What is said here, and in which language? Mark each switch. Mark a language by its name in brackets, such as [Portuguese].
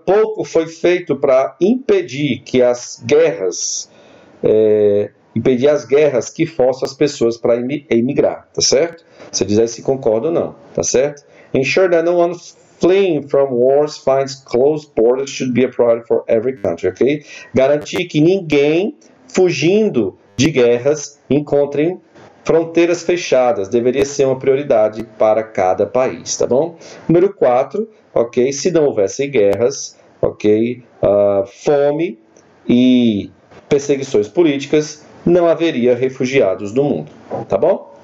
[Portuguese] Pouco foi feito para impedir que as guerras, impedir as guerras que forçam as pessoas para emigrar, tá certo? Você diz aí se concorda ou não, tá certo? [English] Ensure that no one fleeing from wars finds closed borders should be a priority for every country, ok? [Portuguese] Garantir que ninguém fugindo de guerras encontre fronteiras fechadas deveria ser uma prioridade para cada país, tá bom? Número 4, ok? Se não houvessem guerras, ok? Fome e perseguições políticas, não haveria refugiados no mundo, tá bom?